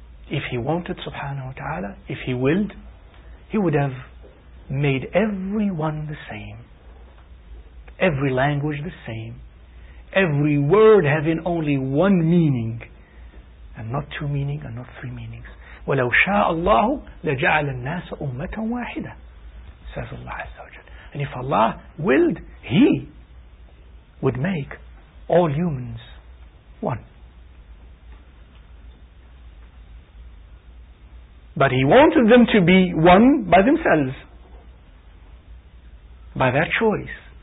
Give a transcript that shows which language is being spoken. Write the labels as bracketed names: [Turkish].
[English] If He wanted, subhanahu wa ta'ala, if He willed, He would have made everyone the same, every language the same, every word having only one meaning, and not two meanings, and not three meanings. [Arabic] وَلَوْ شَاءَ اللَّهُ لَجَعَلَ النَّاسَ أُمَّةً وَاحِدًا, [English] says [Arabic] Allah Azza wa Jal. [English] And if Allah willed, He would make all humans one. But He wanted them to be one by themselves, by their choice.